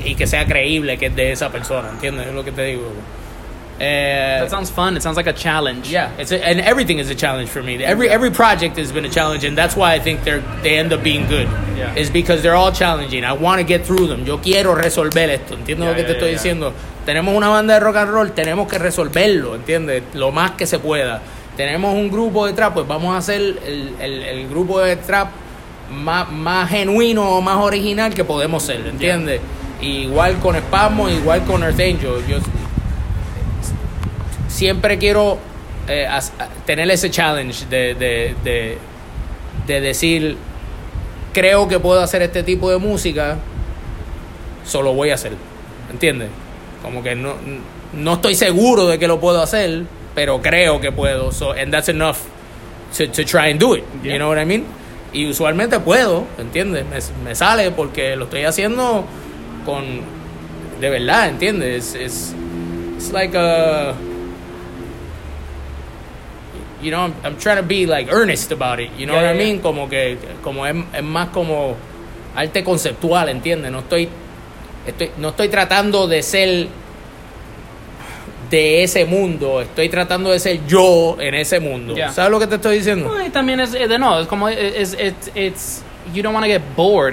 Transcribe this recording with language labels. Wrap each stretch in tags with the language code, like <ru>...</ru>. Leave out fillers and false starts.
<es>Y que sea creíble que es de esa persona, ¿entiendes? Es lo que te digo.</es> <en>That sounds fun. It sounds like a challenge. Yeah, and everything is a challenge for me. Every project has been a challenge, and that's why I think they end up being good. Yeah. Is because they're all challenging. I want to get through them.</en> <es>Yo quiero resolver esto. ¿Entiendes lo que te estoy diciendo? Tenemos una banda de rock and roll. Tenemos que resolverlo, ¿entiendes? Lo más que se pueda. Tenemos un grupo de trap, pues vamos a hacer el grupo de trap más genuino o más original que podemos ser, ¿entiendes? Yeah. Igual con Spasmo, igual con Earth Angel. Yo siempre quiero tener ese challenge de decir, creo que puedo hacer este tipo de música, solo voy a hacer, ¿entiendes? Como que no estoy seguro de que lo puedo hacer, pero creo que puedo,</es> <en>so, and that's enough to try and do it, yeah. You know what I mean?</en> <es>Y usualmente puedo, ¿entiendes? Me sale porque lo estoy haciendo con, de verdad, ¿entiendes?</es> <en>It's like a, you know, I'm trying to be like earnest about it, you know what I mean? Yeah.</en> <es>Como que, como es más como arte conceptual, ¿entiendes? No estoy tratando de ser de ese mundo, estoy tratando de ser yo en ese mundo. Yeah. ¿Sabes lo que te estoy diciendo? Pues, también es de no, es como</es> <en>it's you don't want to get bored.</en>